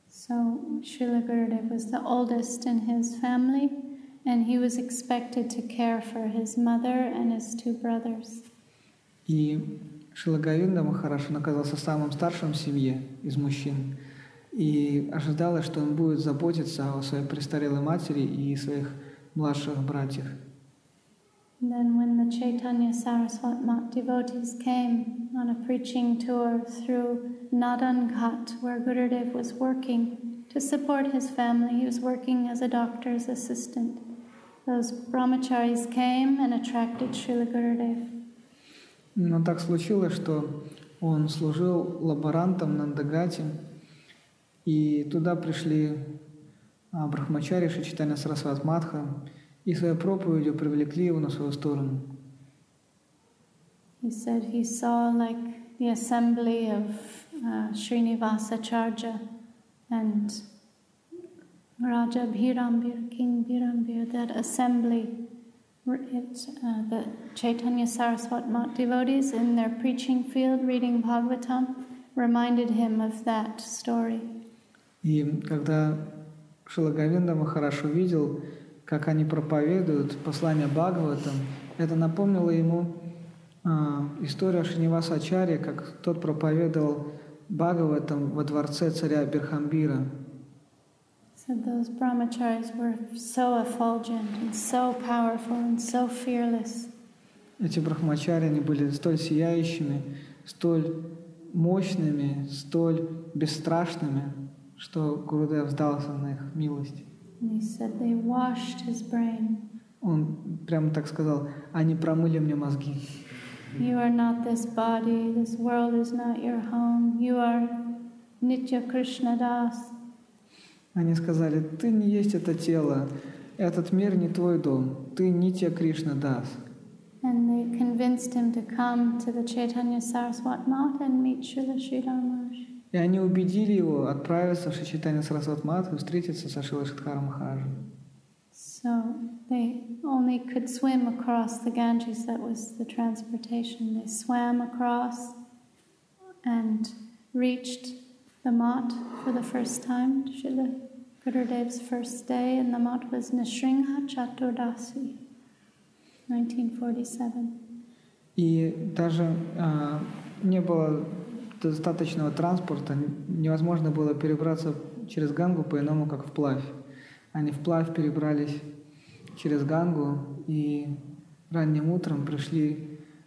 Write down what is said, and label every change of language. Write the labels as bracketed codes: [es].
[en] So Srila Gurudev was the oldest in his family. And he was expected to care for his mother and his two brothers. [ru] И Шрила Говинда Махарадж оказался самым старшим в семье из мужчин, и ожидалось, что он будет заботиться о своей престарелой матери и своих младших братьях. [en] Then when the Chaitanya Saraswat Math devotees came on a preaching tour through Nadanghat, where Gurudev was working to support his family, he was working as a doctor's assistant. Those brahmacharis came and attracted Srila Gurudev. [ru] Но так случилось, что он служил лаборантом на Нандагате, и туда пришли брахмачари Шри Чайтанья Сарасвата Матха и своей проповедью привлекли его на свою сторону. [en] He said he saw like the assembly of Srinivasacharya and Raja Bhirambir, King Bhirambir, that assembly, the Chaitanya Saraswat Math devotees in their preaching field reading Bhagavatam reminded him of that story. [ru] И когда Шрила Говинда Махарадж увидел, как они проповедуют послание Бхагаватам, это напомнило ему историю о Шринивасе Ачарье, как тот проповедовал Бхагаватам во дворце царя Бирхамбира. [en] Those brahmacharis were so effulgent and so powerful and so fearless. [ru] Эти брахмачари, они были столь сияющими, столь мощными, столь бесстрашными, что Гурудев сдался на их милость. [en] He said they washed his brain. [ru] Он прямо так сказал: они промыли мне мозги. [en] You are not this body. This world is not your home. You are Nitya Krishna Das. [ru] Они сказали: ты не есть это тело, этот мир не твой дом, ты Нитья Кришна Дас. [en] And they convinced him to come to the Chaitanya Saraswat Math and meet Srila Sridhar Maharaj. [ru] И они убедили его отправиться в Шри Чайтанья Сарасват Матху и встретиться со Шрилой Шридхаром Махараджем. [en] So they only could swim across the Ganges, that was the transportation. They swam across and reached the Mat for the first time. Srila Gurudev's first day in the Mat was Nisringha Chaturdasi, 1947. [ru] И даже не было достаточного транспорта, невозможно было перебраться через Гангу по-иному, как вплавь. Они вплавь перебрались через Гангу и ранним утром пришли